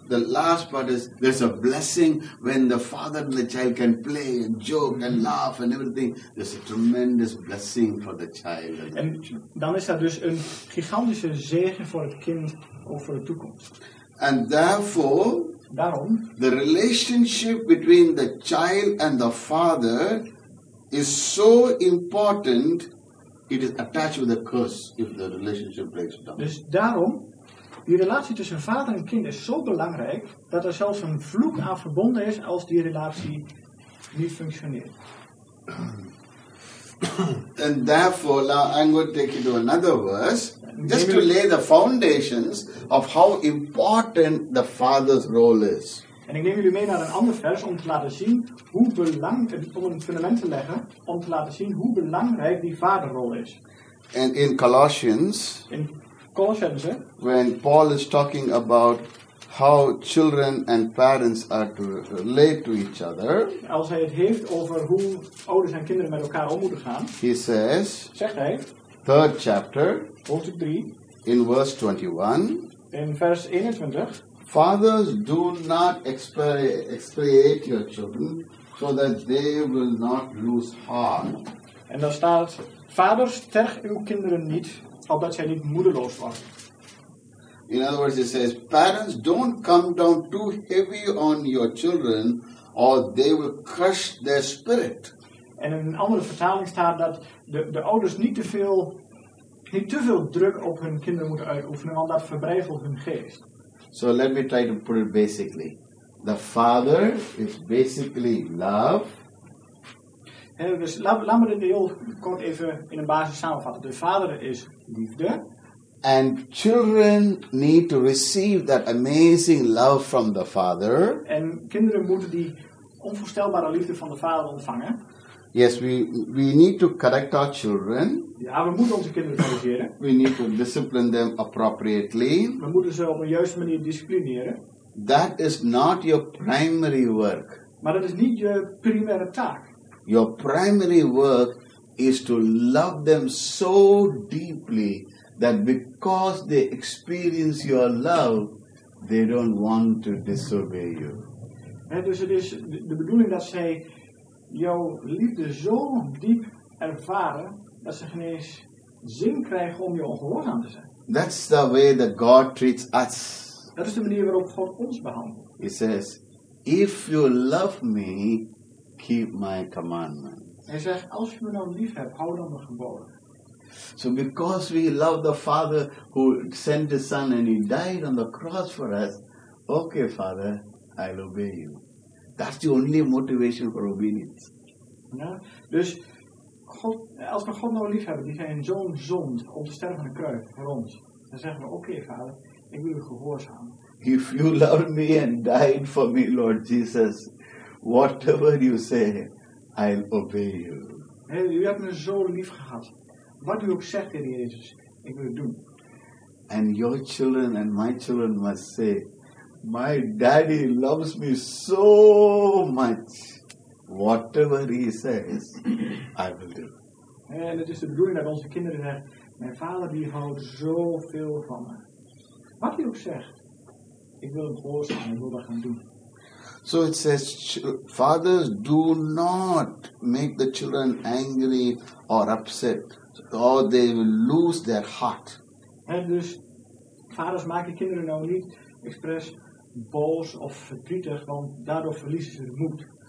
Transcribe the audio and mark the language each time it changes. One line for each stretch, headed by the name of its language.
English: The last part is, there's a blessing when the father and the child can play and joke and laugh and everything. There's a tremendous blessing for the child.
Dutch: En dan is dat dus een gigantische zegen voor het kind of voor de toekomst.
English: And therefore,
Dutch: daarom,
English: the relationship between the child and the father is so important, it is attached with a curse if the relationship breaks down.
Dutch: Dus daarom, die relatie tussen vader en kind is zo belangrijk dat er zelfs een vloek aan verbonden is als die relatie niet functioneert.
English: And therefore, now I'm going to take you to another verse, just to lay the foundations of how important the Father's role is.
Dutch: En ik neem jullie mee naar een ander vers om te laten zien hoe belangrijk, om een fundament te leggen, om te laten zien hoe belangrijk die vaderrol is.
English: And in Colossians, in Colossians, when Paul is talking about how children and parents are to relate to each other,
Dutch: als hij het heeft over hoe ouders en kinderen met elkaar om moeten gaan,
English: he says,
Dutch: zegt hij,
English: third chapter,
Dutch: hoofdstuk 3,
English: in verse 21,
Dutch: in vers 21,
English: fathers, do not expiate your children, so that they will not lose heart.
Dutch: En daar staat, vaders, terg uw kinderen niet, opdat zij niet moedeloos worden.
English: In other words, it says, parents, don't come down too heavy on your children, or they will crush their spirit.
Dutch: En in een andere vertaling staat dat de ouders niet te veel druk op hun kinderen moeten uitoefenen, want dat verbrijzelt hun geest.
English: So let me try to put it basically. The father is basically love.
Dutch: En dus laat me het heel kort even in een basis samenvatten. De vader is liefde.
English: And children need to receive that amazing love from the father.
Dutch: En kinderen moeten die onvoorstelbare liefde van de vader ontvangen.
English: Yes, we need to correct our children.
Dutch: Ja, we moeten onze kinderen corrigeren.
English: We need to discipline them appropriately.
Dutch: We moeten ze op een juiste manier disciplineren.
English: That is not your primary work.
Dutch: Maar dat is niet je primaire taak.
English: Your primary work is to love them so deeply that because they experience your love, they don't want to disobey you.
Dutch: Ja, dus het is de bedoeling dat zij jouw liefde zo diep ervaren dat ze geen eens zin krijgen om je ongehoorzaam te zijn.
English: That's the way that God treats us.
Dutch: Dat is de manier waarop God ons behandelt.
English: He says, if you love me, keep my commandments.
Dutch: Hij zegt, als je me nou lief hebt, hou dan mijn geboden.
English: So because we love the Father who sent his Son and he died on the cross for us, okay Father, I'll obey you. That's the only motivation for obedience.
Dutch: Ja, dus God, als we God nou lief hebben, die zijn zoon zond om te sterven aan de kruis voor ons, dan zeggen we, okay Vader, ik wil u gehoorzaam.
English: If you love me and died for me, Lord Jesus, whatever you say, I'll obey you.
Dutch: Hey, u hebt me zo lief gehad. Wat u ook zegt in Jezus, ik wil het doen.
English: And your children and my children must say, my daddy loves me so much. Whatever he says, I will do.
Dutch: En het is de bedoeling dat onze kinderen zeggen, mijn vader die houdt zoveel van me. Wat u ook zegt, ik wil hem gehoorzamen, ik wil dat gaan doen.
English: So it says, fathers, do not make the children angry or upset, or they will lose their heart.
Dutch: En dus, vaders, maak je kinderen nou niet expres boos of verdrietig, want daardoor verliezen ze hun moed.